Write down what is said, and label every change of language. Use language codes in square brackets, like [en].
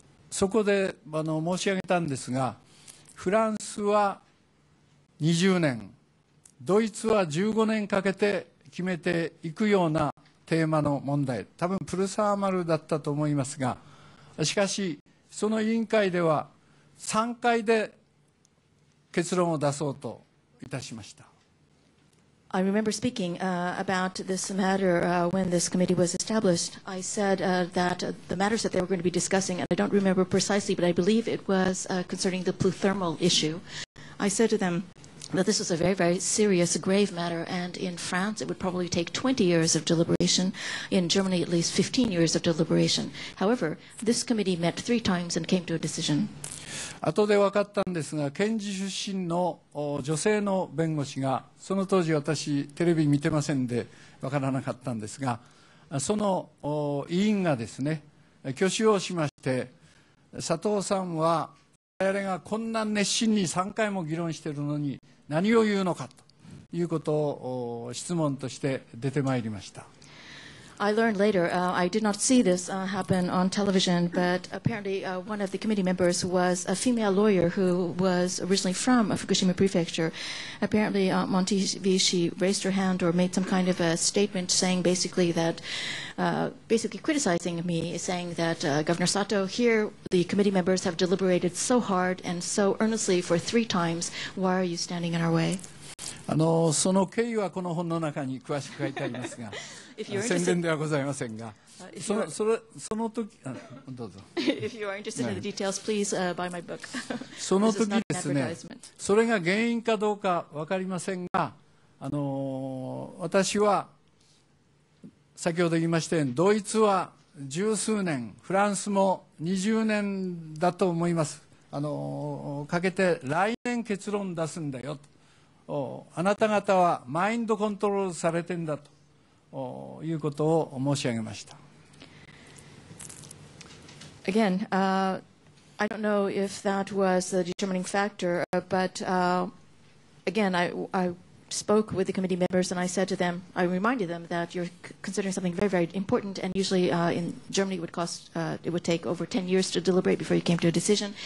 [ja] そこで申し上げたんですが、フランスは20年、ドイツは15年かけて決めていくようなテーマの問題、多分プルサーマルだったと思いますが、しかしその委員会では3回で結論を出そうといたしました。 [en] I remember speaking about this matter when this committee was established. I said that the matters that they were going to be discussing, and I don't remember precisely, but I believe it was concerning the pluthermal issue. I said to them that this was a very, very serious, grave matter, and in France it would probably take 20 years of deliberation, in Germany at least 15 years of deliberation. However, this committee met three times and came to a decision. [ja] 後で分かったんですが、検事出身の女性の弁護士が、その当時私テレビ見てませんで分からなかったんですが、その委員がですね、挙手をしまして、佐藤さんは我々がこんな熱心に3回も議論しているのに何を言うのかということを質問として出てまいりました。 [en] I learned later, I did not see this happen on television, but apparently one of the committee members was a female lawyer who was originally from Fukushima Prefecture. Apparently, on TV, she raised her hand or made some kind of a statement saying basically that, basically criticizing me, saying that Governor Sato, here the committee members have deliberated so hard and so earnestly for three times. Why are you standing in our way? [ja] その経緯はこの本の中に詳しく書いてありますが、宣伝ではございませんが、その時、どうぞ。 [en] If you are interested in the details, please buy my book. [ja] その時ですね、それが原因かどうか分かりませんが、私は先ほど言いましたように、ドイツは十数年、フランスも20年だと思います。かけて来年結論出すんだよと。あなた方はマインドコントロールされてんだということを申し上げました。 [en] Again, I don't know if that was the determining factor, but again, I spoke with the committee members and I said to them, I reminded them that you're considering something very, very important and usually in Germany it would take over 10 years to deliberate before you came to a decision.